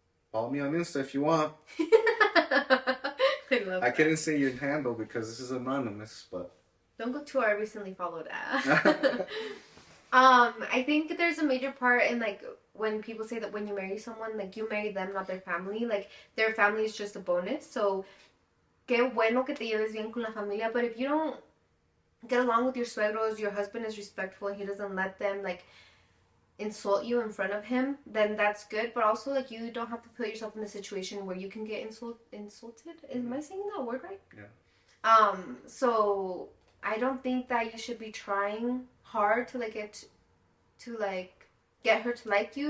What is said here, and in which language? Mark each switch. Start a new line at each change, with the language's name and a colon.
English: Follow me on Insta if you want. I love that. I couldn't say your handle because this is anonymous, but... Don't go to our recently followed app. I think there's a major part in, like, when people say that when you marry someone, like, you marry them, not their family. Like, their family is just a bonus.
Spanish: So, qué bueno que te lleves bien con la familia.
English: But if you don't get along with your suegros, your husband is respectful, he doesn't let them, like, insult you in front of him, then that's good. But also, like, you don't have to put yourself in a situation where you can get insulted. Mm-hmm. Am I saying that word right? Yeah. So, I don't think that you should be trying hard to, like, get her to like you.